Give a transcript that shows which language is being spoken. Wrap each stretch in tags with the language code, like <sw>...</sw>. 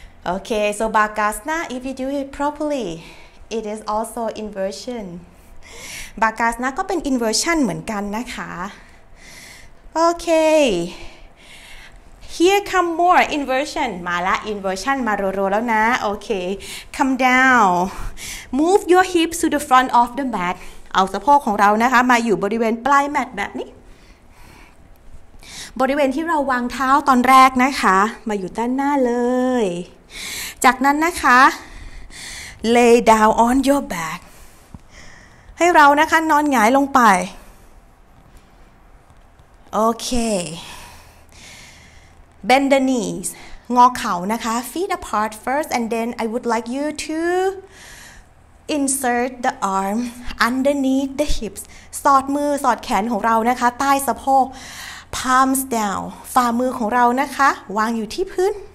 <en>okay so bagasana if you do it properly it is also inversion bagasana</en> <th>ก็เป็น inversion เหมือนกันนะคะ</th> <en>Okay. Here come more inversion.</en> <th>มาละ inversion มารัวๆแล้วนะ</th> <en>Okay. Come down. Move your hips to the front of the mat.</en> <th>เอาสะโพกของเรานะคะมาอยู่บริเวณปลายแมตแบบนี้บริเวณที่เราวางเท้าตอนแรกนะคะมาอยู่ด้านหน้าเลยจากนั้นนะคะ</th> <en>Lay down on your back.</en> <th>ให้เรานะคะนอนหงายลงไปโอเค</th> <en>bend the knees</en> <th>งอเข่านะคะ</th> <en>feet apart first and then I would like you to insert the arm underneath the hips</en> <th>สอดมือสอดแขนของเรานะคะใต้สะโพก</th> <en>palms down</en> <th>ฝ่ามือของเรานะคะวางอยู่ที่พื้น</th>